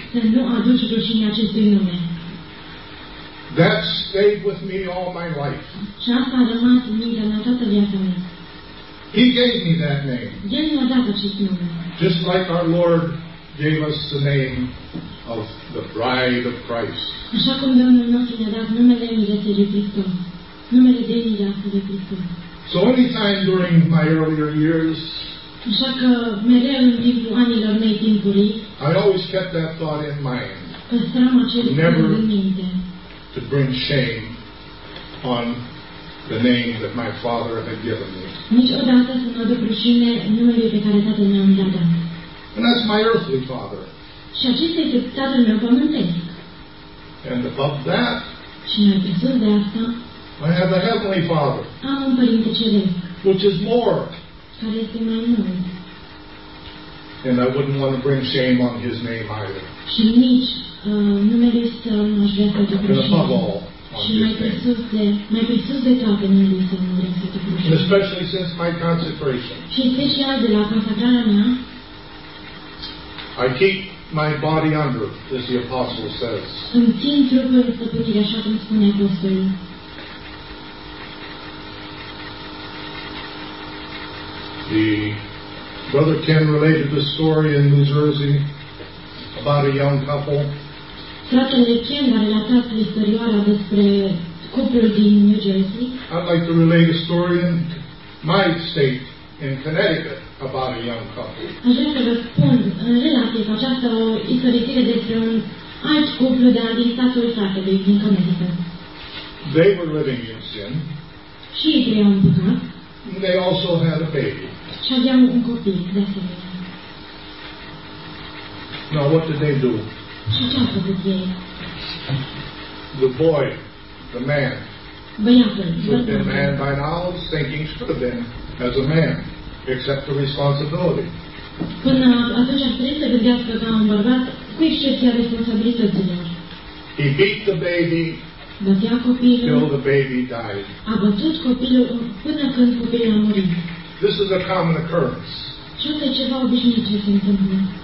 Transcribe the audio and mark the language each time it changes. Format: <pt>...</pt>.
<ro>Să nu aduci rușine acestui nume.</ro> <en>That stayed with me all my life.</en> <ro>Și asta a rămas în mine în toată viața mea.</ro> <en>He gave me that name.</en> <ro>El mi-a dat acest nume.</ro> <en>Just like our Lord gave us the name of the Bride of Christ.</en> <ro>Așa cum Domnul nostru ne-a dat numele Mireasei de Hristos. Numele de Mireasă de Hristos.</ro> <en>So anytime during my earlier years,</en> <ro>așa că mereu în timpul anilor mei timpurii,</ro> <en>I always kept that thought in mind.</en> <ro>Păstram acest gând în minte.</ro> <en>To bring shame on the name that my father had given me.</en> <ro>Niciodată să nu aduc rușine numele pe care tatăl meu mi-l-a dat.</ro> <en>And that's my earthly father.</en> <ro>Și acesta este tatăl meu pământesc.</ro> <en>And above that,</en> <ro>și mai presus de asta,</ro> <en>I have a heavenly father.</en> <ro>Am un părinte ceresc.</ro> <en>Which is more.</en> <ro>Care este mai mult.</ro> <en>And I wouldn't want to bring shame on his name either.</en> <ro>Și nici numele să nu aș vrea să te prășim.</ro> <en>And above all,</en> <ro>și mai presus de toate numele să nu vrea să te prășim.</ro> <en>Especially since my consecration.</en> <ro>Și special de la consacrarea mea.</ro> <en>I keep my body under, as the apostle says.</en> <ro>Îmi țin trupul săpetit, așa cum spune apostolul.</ro> <en>The Brother Ken related the story in New Jersey about a young couple.</en> <ro>Fratele Ken a relatat istoria despre cuplul din New Jersey.</ro> <en>I'd like to relate a story in my state, in Connecticut, about a young couple.</en> <ro>Aș vrea să vă spun în relație cu această istorie despre un alt cuplu de din statul fratelui din Connecticut.</ro> <en>They were living in sin.</en> <ro>Și ei trăiau în păcat.</ro> <en>They also had a baby.</en> <ro>Și aveam un copil, de asemenea.</ro> <en>Now, what did they do?</en> <ro>Și ce a făcut ei?</ro> <en>The boy, the man.</en> <ro>Băiatul.</ro> <en>Should have been man by now, thinking should have been as a man, except the responsibility.</en> <ro>Până atunci ar trebui să gândească ca un bărbat, cu excepția responsabilității.</ro> <en>He beat the baby.</en> <ro>Bătea copilul.</ro> <en>Till the baby died.</en> <ro>A bătut copilul până când copilul a murit.</ro> <en>This is a common occurrence.</en> <ro>Și asta e ceva obișnuit ce se întâmplă.</ro>